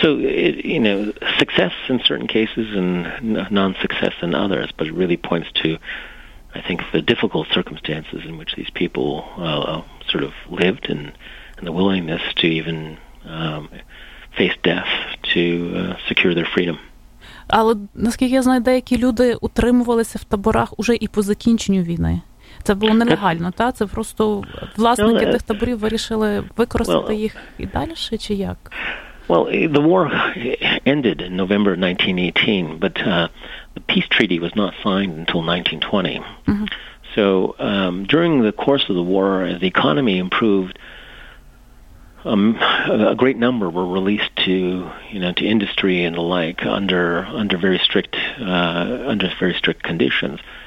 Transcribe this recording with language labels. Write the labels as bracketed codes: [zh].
[en] So, success in certain cases and non-success in others, but it really points to, I think, the difficult circumstances in which these people sort of lived and the willingness to even face death to secure their freedom. [uk] Але, наскільки я знаю, деякі люди утримувалися в таборах уже і по закінченню війни. Це було нелегально, так? Це просто власники тих таборів вирішили використати їх і далі, чи як? [en] Well, the war ended in November 1918, but the peace treaty was not signed until 1920. Mm-hmm. So during the course of the war, as the economy improved, a great number were released to, you know, to industry and the like under very strict conditions.